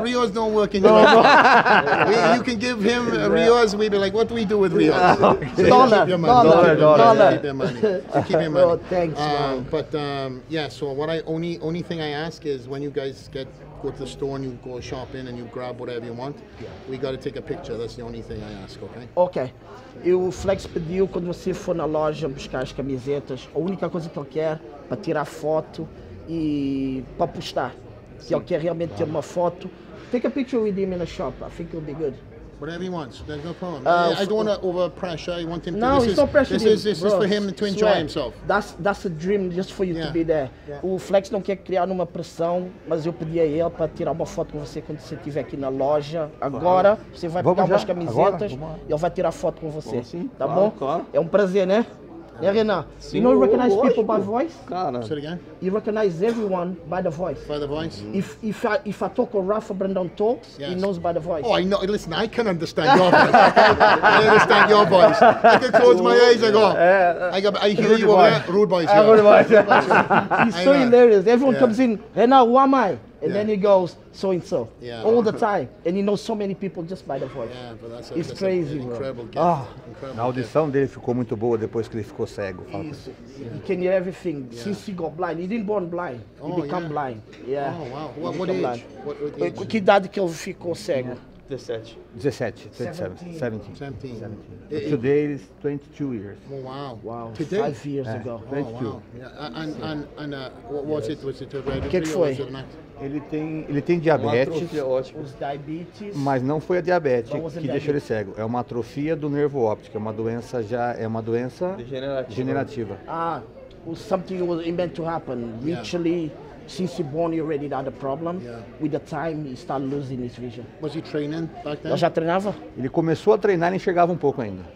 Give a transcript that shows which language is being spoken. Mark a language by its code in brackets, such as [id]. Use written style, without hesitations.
[en] Rios don't work in your You can give him Rios, we'd be like, what do we do with Rios? Dollar. Keep your money. Oh, thanks, man. So what I only thing I ask is when you guys go to the store and you go shopping and you grab whatever you want. Yeah. We got to take a picture. That's the only thing I ask, okay? Okay. [pt] E o Flex pediu quando você for na loja buscar as camisetas, a única coisa que ele quer para tirar foto e para postar. Sim. Ele quer realmente ter uma foto. [en] Take a picture with him in the shop. I think it'll be good. Whatever he wants. There's no problem. I don't want to overpressure. I want him to... No, it's not pressure. This is for him to enjoy himself. That's a dream just for you to be there. Yeah. [pt] O Flex não quer criar uma pressão, mas eu pedi a ele para tirar uma foto com você quando você estiver aqui na loja. Agora, você vai pegar umas camisetas e ele vai tirar foto com você. Tá bom? Claro. É um prazer, né? É, Renan? Sim. [en] You know you recognize people by voice? [pt] Cara. [en] Say it again. You recognize everyone by the voice. By the voice? Mm-hmm. If I talk or Rafa Brandão talks, yes, he knows by the voice. Oh, I know. Listen, I can understand your voice. I understand your voice. I can close my eyes and go. I hear you over there. Rude voice. Yeah. Rude voice. He's so hilarious. Everyone comes in, Renan, who am I? And then he goes, so-and-so, all the time. And he knows so many people just by the voice. Yeah, but that's it's crazy, bro. Incredible. [pt] A audição dele ficou muito boa depois que ele ficou cego. Fala. [en] He can hear everything. Yeah. Since he got blind, he didn't born blind. He became blind. Yeah. Oh, wow. What age? Blind. What age? [pt] Que idade que ele ficou cego? 17. 17. 17. 17. 17. [en] Today is 22 years. Wow. Wow. Today? 5 years ago. Oh, 22. Wow. Yeah. And what was it? Was it a red? [pt] Que foi? Ele tem diabetes, mas não foi a diabetes que deixou ele cego. É uma atrofia do nervo óptico. É uma doença degenerativa. [en] Ah, something was meant to happen. Literally, since he born, he already had a problem. Yeah. With the time, he started losing his vision. Was he training back then? [pt] Ele já treinava? Ele começou a treinar e enxergava um pouco ainda.